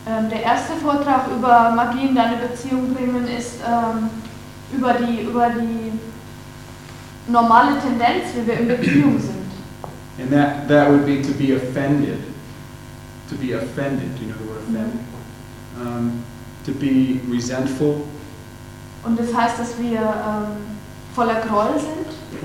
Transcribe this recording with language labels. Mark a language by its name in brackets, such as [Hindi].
[German] Der erste Vortrag über Magie in deine Beziehung bringen ist über die normale Tendenz, wie wir in Beziehung sind. [English] And that would be to be offended. To be offended, do you know the word offended? Mm-hmm. To be resentful. [German] Und das heißt, dass wir voller Groll sind?